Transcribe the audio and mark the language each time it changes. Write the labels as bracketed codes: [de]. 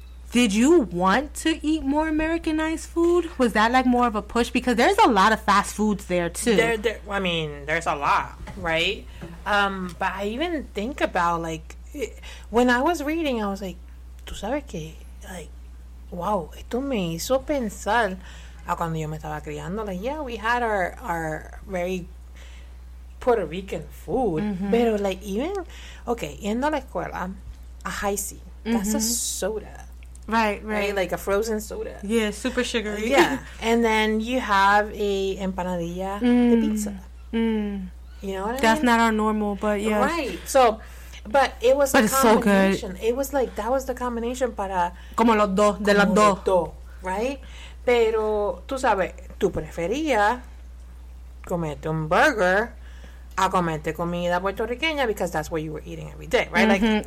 [en] Did you want to eat more Americanized food? Was that, like, more of a push? Because there's a lot of fast foods there, too. I mean, there's a lot, right? But I even think about, like, when I was reading, I was like, [es] ¿tú sabes qué? [en] Like, wow, [es] esto me hizo pensar a cuando yo me estaba criando. [en] Like, yeah, we had our very Puerto Rican food. Mm-hmm. [es] Pero, [en] like, even, okay, [es] yendo a la escuela, a [en] Hi-C, that's a soda. Right, like a frozen soda. Yeah, super sugary. Yeah, and then you have a empanadilla, the pizza. You know what that's I mean? Not our normal, but yeah. Right. So, but it was. But a combination. It's so good. It was like that was the combination [es] para. Como los dos de las dos. [en] Right, [es] pero tú sabes, tú preferías comerte un burger. A comerte comida puertorriqueña [en] because that's what you were eating every day, right?